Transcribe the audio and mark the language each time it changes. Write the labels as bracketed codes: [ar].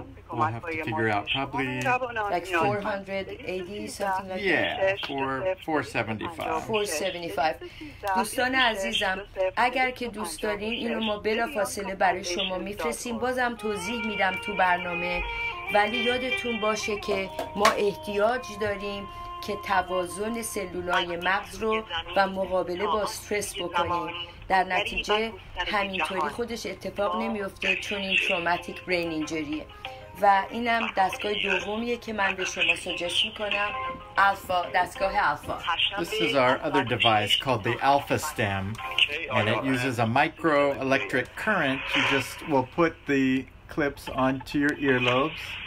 [en] We'll have to figure out probably... Like $480, something like that? Yeah, $475. $475. [fa] دوستان عزیزم، اگر که دوست دارین اینو ما بلافاصله برای شما میفرستیم، بازم توضیح میدم تو برنامه، ولی یادتون باشه که ما احتیاج داریم که توازن سلولای مغز رو و مقابله با استرس بکنیم. در نتیجه همینطوری خودش اتفاق نمیفته، چون این تروماتیک برین اینجریه. و اینم دستگاه دومیه که من به شما سوجست میکنم، الفا، دستگاه الفا. [en] This is our other device called the Alpha Stem, and it uses a micro electric current. You just will put the clips onto your earlobes.